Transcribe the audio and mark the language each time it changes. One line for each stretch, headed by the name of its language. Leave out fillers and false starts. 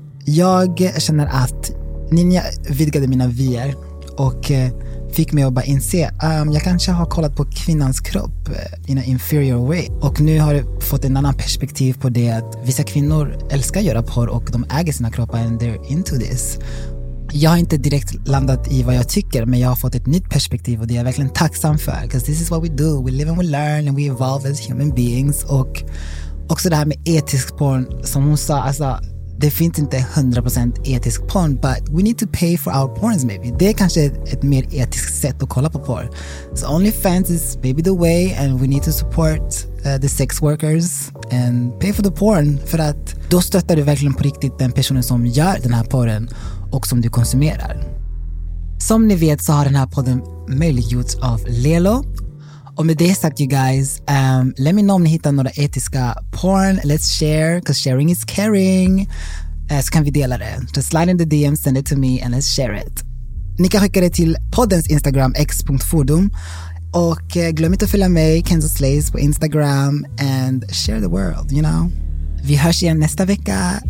Swedish: Jag känner att Ninja vidgade mina vyer och fick mig att bara inse jag kanske har kollat på kvinnans kropp
English: in an inferior way.
Swedish: Och nu har jag fått en annan perspektiv på det, att vissa kvinnor älskar att göra porr och de äger sina kroppar
English: and they're into this.
Swedish: Jag har inte direkt landat i vad jag tycker, men jag har fått ett nytt perspektiv och det är jag verkligen tacksam för.
English: Because this is what we do, we live and we learn and we evolve as human beings.
Swedish: Och också det här med etisk porn, som hon sa, alltså, det finns inte 100% etisk porn,
English: but we need to pay for our porns maybe.
Swedish: Det är kanske ett mer etiskt sätt att kolla på porn.
English: So OnlyFans is maybe the way, and we need to support the sex workers and pay for the porn,
Swedish: för att då stöttar du verkligen på riktigt den personen som gör den här porren och som du konsumerar. Som ni vet så har den här podden möjliggjorts av Lelo. Och med det sagt,
English: you guys, let me know
Swedish: om ni hittar några etiska porn.
English: Let's share, because sharing is caring.
Swedish: Så kan vi dela det.
English: Just slide in the DM, send it to me, and let's share it.
Swedish: Ni kan skicka det till poddens Instagram, x.fordom. Och glöm inte att följa mig, Kenzo Slays, på Instagram.
English: And share the world, you know.
Swedish: Vi hörs igen nästa vecka.